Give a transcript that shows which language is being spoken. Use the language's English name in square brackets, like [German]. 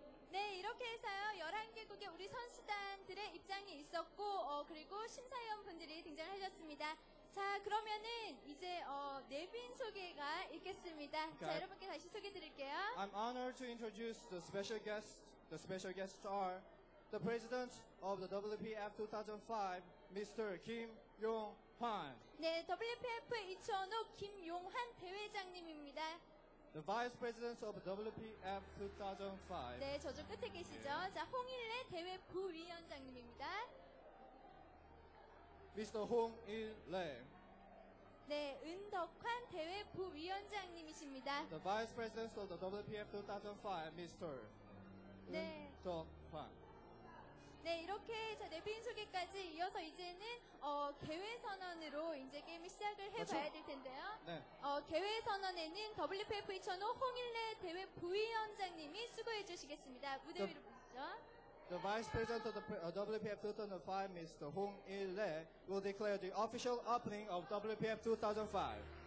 [Korean] 네, 이렇게 해서요. 11개국의 우리 선수단들의 입장이 있었고 그리고 심사위원 분들이 등장하셨습니다. 자, 그러면은 이제 내빈 소개가 있겠습니다. [English] Okay. [Korean] 자, 여러분께 다시 소개해 드릴게요. [English] I'm honored to introduce the special guest. The special guest star, the president of the WPF 2005, Mr. [Korean] 김용환. 네, WPF 2005 김용환 대회장님입니다. [English] The vice president of WPF 2005. [Korean] 네, 저 좀 끝에 계시죠. 자, 홍일래 대회 부위원장님입니다. [English] Mr. 홍일래. [Korean] 네, 은덕환 대회 부위원장님이십니다. [English] The vice president of the WPF 2005, Mr. [Korean] 네. 은덕환. 네, 이렇게 자 내빈 소개까지 이어서 이제는 개회 선언으로 이제 게임을 시작을 해봐야 그렇죠? 될 텐데요. 네. 개회 선언에는 WPF 2005 홍일래 대회 부위원장님이 수고해 주시겠습니다. 무대 위로 보시죠. [English] The Vice President of the WPF 2005, Mr. 홍일래, will declare the official opening of WPF 2005.